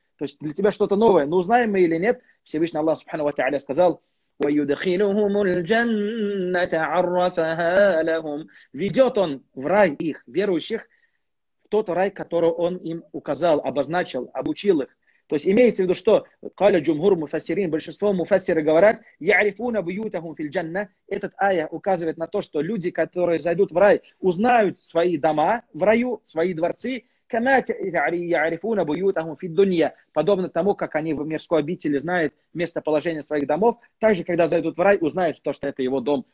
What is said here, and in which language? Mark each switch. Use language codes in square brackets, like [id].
[ru] То есть для тебя что-то новое, но узнаем мы или нет? Всевышний Аллах, субхану ва тааля, сказал, [ar] وَيُدْخِلُهُمُ الْجَنَّةَ عَرَّفَهَا لَهُمْ. [ru] Ведет он в рай их, верующих, в тот рай, который он им указал, обозначил, обучил их. То есть имеется в виду, что [ar] قَالَ جُمْهُرُ مُفَسِّرِينَ. [ru] Большинство муфассиры говорят, [ar] يَعْرِفُونَ بُيُوتَهُمْ فِي الْجَنَّةِ. [ru] Этот ая указывает на то, что люди, которые зайдут в рай, узнают свои дома в раю, свои дворцы, [ar] كَمَا يَعْرِفُونَ بُيُوتَهُمْ فِي الدُّنْيَا. [ru] Подобно тому, как они в мирской обители знают местоположение своих домов, также, когда зайдут в рай, узнают то, что это его дом.